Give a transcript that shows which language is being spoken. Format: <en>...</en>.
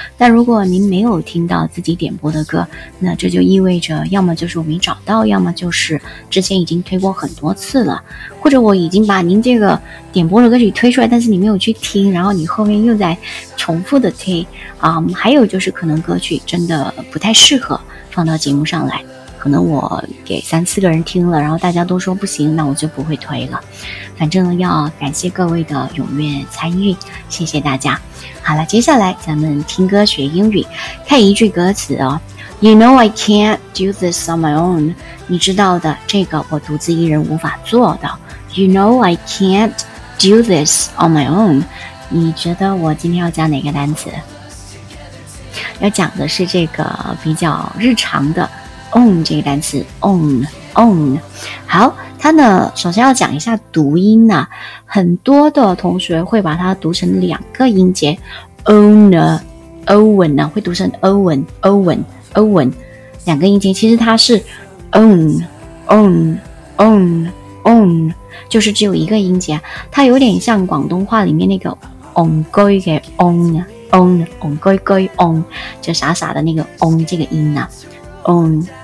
<zh>但如果您没有听到自己点播的歌，那这就意味着要么就是我没找到，要么就是之前已经推过很多次了，或者我已经把您这个点播的歌曲推出来，但是你没有去听，然后你后面又在重复的推啊、还有就是可能歌曲真的不太适合放到节目上来，可能我给三四个人听了，然后大家都说不行，那我就不会推了。反正要感谢各位的踊跃参与，谢谢大家。好了，接下来咱们听歌学英语，看一句歌词哦。</zh> <en>You know I can't do this on my own.</en> <zh>你知道的，这个我独自一人无法做的。</zh> <en>You know I can't do this on my own.</en> <zh>你觉得我今天要讲哪个单词？要讲的是这个比较日常的own 这个单词 ，own。好，它呢，首先要讲一下读音呢、啊，很多的同学会把它读成两个音节 ，owner，owen 呢，会读成 owen，owen，owen， 两个音节，其实它是 own， 就是只有一个音节，它有点像广东话里面那个 on 居的 on，on，on 居居 on， 就傻傻的那个 on 这个音呢、啊。</zh>